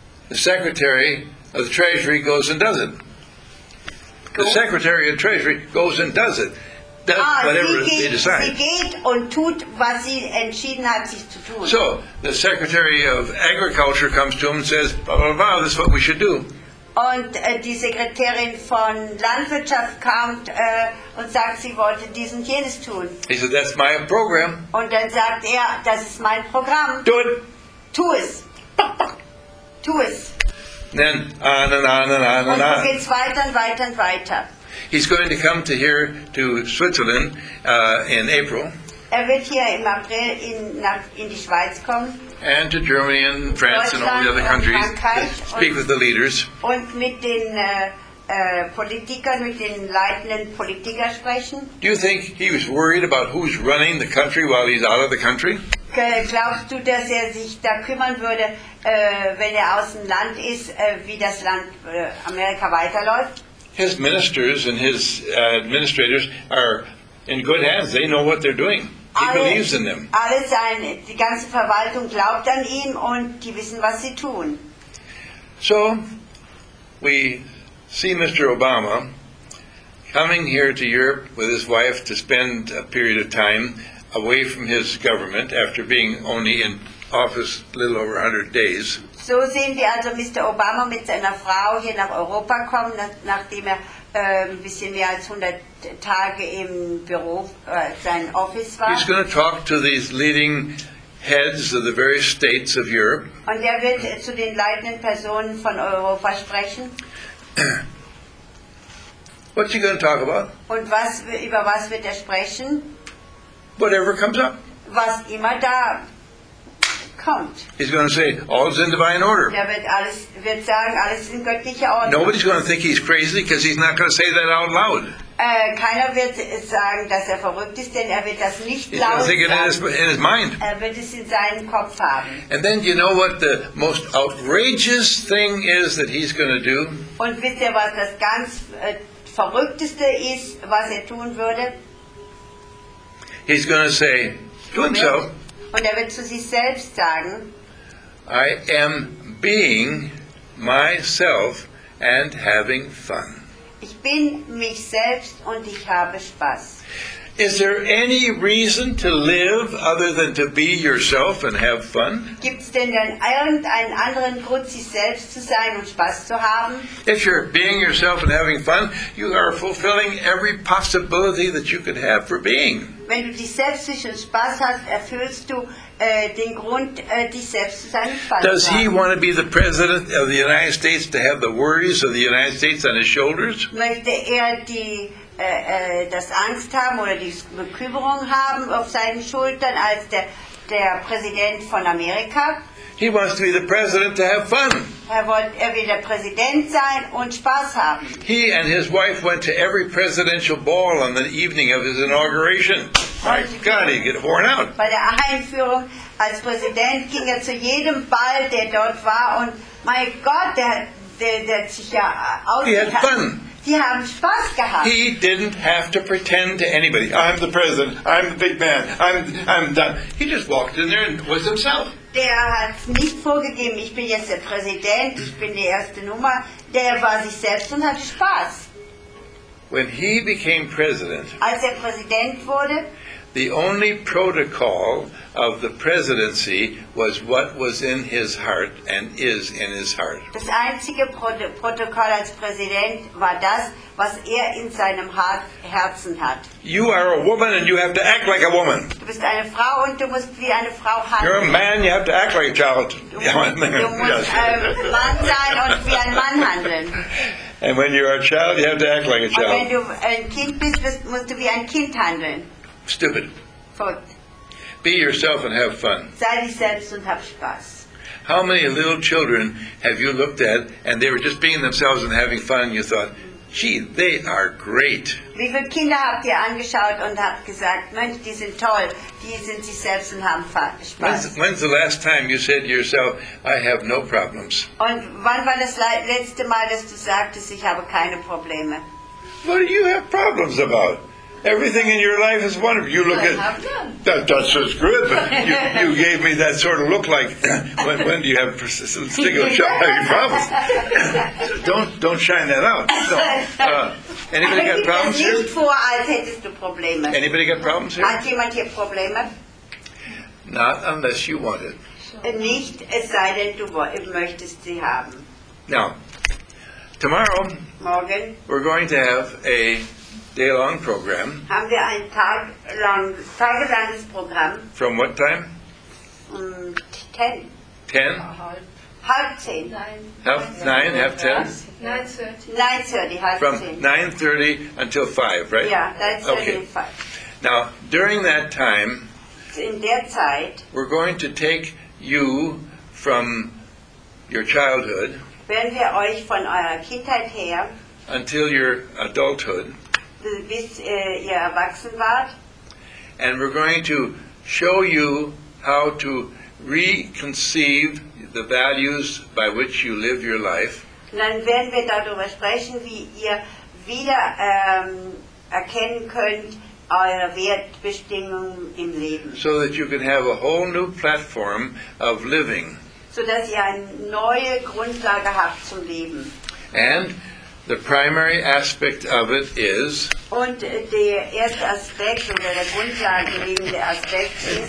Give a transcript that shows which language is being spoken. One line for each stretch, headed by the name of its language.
English: The Secretary of the Treasury goes and does it. The Secretary of the Treasury goes and does it. Does whatever
German: sie geht,
English: they decide.
German: Sie geht und tut, was sie entschieden hat, sich zu tun.
English: So, the Secretary of Agriculture comes to him and says, blah, blah, blah, this is what we should do.
German: Und die Sekretärin von Landwirtschaft kommt und sagt, sie wollte dies und jenes tun.
English: He said, that's my program.
German: Und dann sagt er, das ist mein Programm.
English: Do it.
German: Tu es. Tu es.
English: Then on and on and on and on.
German: Und so geht's weiter und weiter und weiter.
English: He's going to come to here to Switzerland in April.
German: Er wird hier im April in die Schweiz kommen.
English: And to Germany and France and all the other countries to speak with the leaders.
German: Und mit den Politikern, mit den leitenden Politikern sprechen.
English: Do you think he was worried about who's running the country while he's out of the country?
German: Glaubst du, dass er sich da kümmern würde, wenn er aus dem Land ist, wie das Land Amerika weiterläuft?
English: His ministers and his administrators are in good hands. They know what they're doing. He believes in them.
German: Alle seine, die ganze Verwaltung glaubt an ihn und die wissen, was sie tun.
English: So, we see Mr. Obama coming here to Europe with his wife to spend a period of time away from his government after being only in office a little over 100 days.
German: So sehen wir also Mr. Obama mit seiner Frau hier nach Europa kommen, nachdem er ein bisschen mehr als 100 Tage im Büro, sein Office war.
English: He's going to talk to these leading heads of the various states of Europe.
German: Und er wird zu den leitenden Personen von Europa sprechen.
English: What's he going to talk about?
German: Und was, über was wird er sprechen?
English: Whatever comes up.
German: Was immer da kommt.
English: He's going to say, all's in divine order.
German: Er wird, alles, wird sagen, alles in göttlicher Ordnung.
English: Nobody's going to think he's crazy because he's not going to say that out loud.
German: Keiner wird sagen, dass er verrückt ist, denn er wird das nicht
English: he's
German: laut
English: going to think
German: sagen.
English: It in his mind.
German: Er wird es in seinem Kopf haben.
English: And then you know what the most outrageous thing is that he's going to do?
German: Und wisst ihr, was das ganz Verrückteste ist, was er tun würde?
English: He's going to say to himself,
German: und er wird zu sich selbst sagen,
English: I am being myself and having fun.
German: Ich bin mich selbst und ich habe Spaß.
English: Is there any reason to live other than to be yourself and have fun?
German: Gibt's denn irgendeinen anderen Grund, sich selbst zu sein und Spaß zu haben?
English: If you're being yourself and having fun, you are fulfilling every possibility that you could have for being.
German: Wenn du dich selbst und Spaß hast, erfüllst du den Grund, dich selbst zu sein und Spaß zu haben.
English: Does he want to be the president of the United States to have the worries of the United States on his shoulders?
German: Möchte er die das Angst haben oder die Bekümmerung haben auf seinen Schultern als der Präsident von Amerika.
English: He wants to be the president to have fun.
German: Er will der Präsident sein und Spaß haben.
English: He and his wife went to every presidential ball on the evening of his inauguration. My God, he'd get worn out.
German: Bei der Einführung als Präsident ging er zu jedem Ball, der dort war und mein Gott, der hat sich ja ausgetan.
English: He had fun.
German: Die haben Spaß gehabt.
English: He didn't have to pretend to anybody. I'm the president. I'm the big man. I'm done. He just walked in there and was himself.
German: Der hat nicht vorgegeben. Ich bin jetzt der Präsident. Ich bin die erste Nummer. Der war sich selbst und hatte Spaß.
English: When he became president,
German: als er Präsident wurde,
English: the only protocol of the presidency was what was in his heart and is in his heart.
German: Das einzige Protokoll als Präsident war das, was in seinem Herzen hat.
English: You are a woman and you have to act like a woman.
German: Du bist eine Frau und du musst wie eine Frau handeln.
English: You're a man, you have to act like a child.
German: Du musst Mann sein und wie ein Mann handeln.
English: And when you're a child, you have to act like a child.
German: Und wenn du ein Kind bist, musst du wie ein Kind handeln.
English: Stupid.
German: Verrückt.
English: Be yourself and have fun.
German: Sei dich selbst und hab Spaß.
English: How many little children have you looked at and they were just being themselves and having fun and you thought, gee, they are great.
German: Wie viele Kinder habt ihr angeschaut und habt gesagt, Mensch, die sind toll, die sind sich selbst und haben Spaß.
English: When's the last time you said to yourself, I have no problems?
German: Und wann war das letzte Mal, dass du sagtest, ich habe keine Probleme?
English: What do you have problems about? Everything in your life is wonderful. You look at that's just good. But you gave me that sort of look like when do you have persistent single shot problems? don't shine that out. So, anybody got problems here?
German: Nicht vor, als hättest du Probleme.
English: Anybody got problems here?
German: Hat jemand hier Probleme?
English: Not unless you want it.
German: Nicht, es sei denn, du möchtest sie haben.
English: Now, tomorrow,
German: morgen,
English: we're going to have a day-long program.
German: Haben wir ein tagelanges Programm.
English: From what time? 10. 10?
German: Halb 10.
English: Half 9, half 10? 9:30. From 9:30 until 5, right? Yeah, 9:30 okay. and 5. Now, during that time,
German: in der Zeit,
English: we're going to take you from your childhood
German: werden wir euch von eurer Kindheit her,
English: until your adulthood,
German: bis ihr erwachsen wart,
English: and we're going to show you how to reconceive the values by which you live your life.
German: Und dann werden wir darüber sprechen, wie ihr wieder erkennen könnt eure Wertbestimmung im Leben.
English: So that you can have a whole new platform of living.
German: So dass ihr eine neue Grundlage habt zum Leben.
English: And the primary aspect of it is
German: und der erste Aspekt oder der grundlegende Aspekt ist